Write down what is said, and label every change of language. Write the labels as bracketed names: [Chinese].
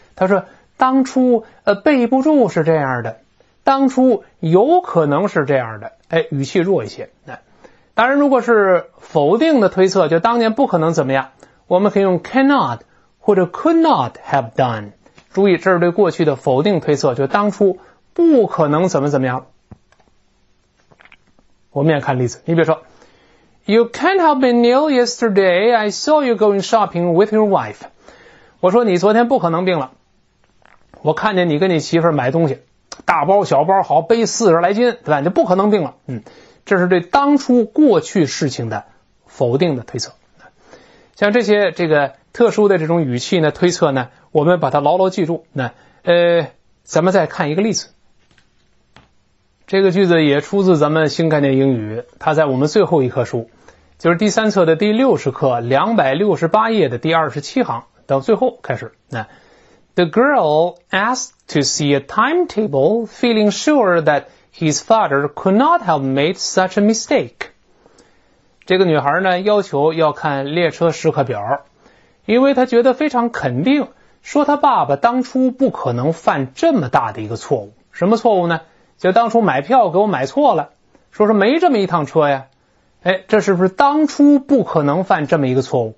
[Chinese] 他说当初备不住是这样的，当初有可能是这样的，语气弱一些。当然如果是否定的推测，就当年不可能怎么样，我们可以用 cannot 或者 could not have done。注意这是对过去的否定推测，就当初不可能怎么怎么样。我们也看例子，你比如说 [English] You can't have been ill yesterday, I saw you going shopping with your wife. [Chinese] 我说你昨天不可能病了，我看见你跟你媳妇买东西，大包小包，好背40来斤，对吧？就不可能病了。这是对当初过去事情的否定的推测。像这些这个特殊的这种语气呢，推测呢，我们把它牢牢记住。咱们再看一个例子。这个句子也出自咱们新概念英语，它在我们最后一课书，就是第三册的第60课268页的第27行到最后开始。 [English] The girl asked to see a timetable, feeling sure that his father could not have made such a mistake. [Chinese] 这个女孩呢，要求要看列车时刻表，因为她觉得非常肯定，说他爸爸当初不可能犯这么大的一个错误。什么错误呢？就当初买票给我买错了，说没这么一趟车呀。这是不是当初不可能犯这么一个错误？